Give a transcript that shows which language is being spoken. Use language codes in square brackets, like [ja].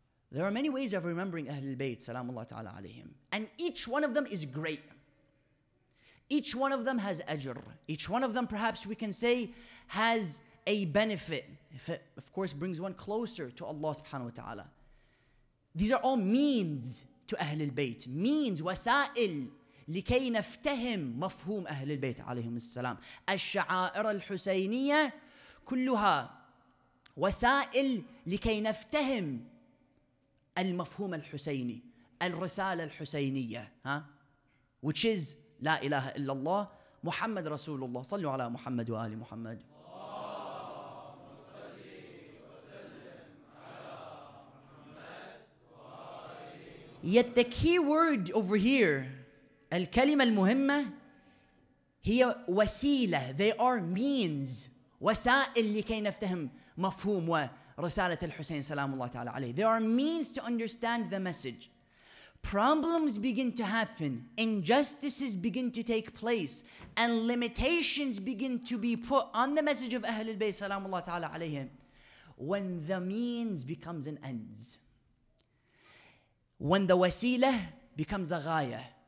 [en] There are many ways of remembering Ahlul Bayt, salamullah ta'ala alayhim. And each one of them is great. Each one of them has ajr. Each one of them, perhaps we can say, has a benefit. If it, of course, brings one closer to Allah subhanahu wa ta'ala. These are all means to Ahlul Bayt. [ar] Means, wasa'il, لكي نفتهم مفهوم أهل البيت عليهم السلام. الشعائر الحسينية كلها وسائل لكي نفتهم المفهوم الحسيني الرسالة الحسينية, huh? [en] Which is [ar] لا إله إلا الله محمد رسول الله صلوا على محمد وآل محمد. [en] Yet the key word over here, [ar] الكلمة المهمة هي وسيلة. [en] They are means. [ar] وسائل لكي نفتهم مفهوم ورسالة الحسين سلام الله تعالى عليه. [en] They are means to understand the message. Problems begin to happen. Injustices begin to take place. And limitations begin to be put on the message of [ar] أهل البيت سلام الله تعالى عليهم. [en] When the means becomes an ends. When the وسيلة becomes a غاية.